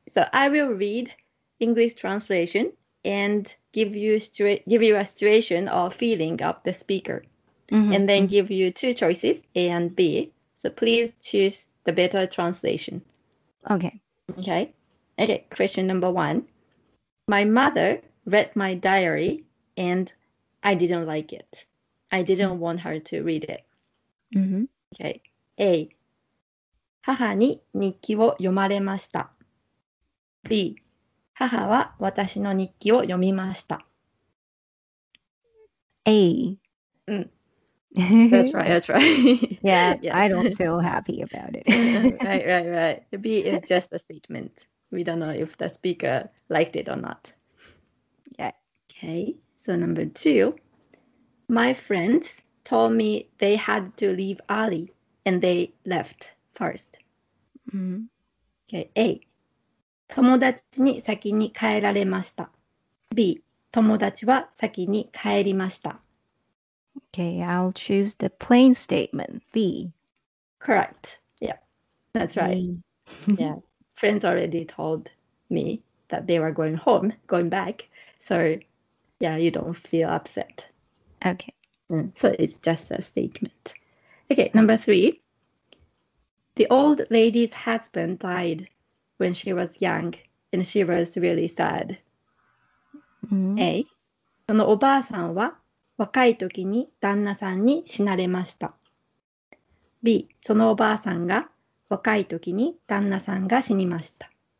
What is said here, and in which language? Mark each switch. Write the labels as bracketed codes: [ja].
[en] So I will read English translation and give you a situation or feeling of the speaker, and then give you two choices A and B. So please choose the better translation. Okay. Okay. Okay, question number one. My mother read my diary and I didn't like it. I didn't want her to read it. Okay. A. [ja] 母に日記を読まれました。 [en] B. [ja] 母は私の日記を読みました。 [en] A. That's right. Yeah, I don't feel happy about it. Right. B is just a statement. We don't know if the speaker liked it or not. Yeah. Okay. So number two, my friends told me they had to leave early and they left first. Okay. A. [ja] 友達に先に帰られました。 [en] B. [ja] 友達は先に帰りました。 [en] Okay. I'll choose the plain statement. B. Correct. Yeah. That's right. Yeah. Friends already told me that they were going home, going back. So, yeah, you don't feel upset. Okay. So it's just a statement. Okay, number three. The old lady's husband died when she was young and she was really sad. A. [ja] そのおばあさんは若い時に旦那さんに死なれました。 [en] B. [ja] そのおばあさんが若い時に旦那さんが死にました。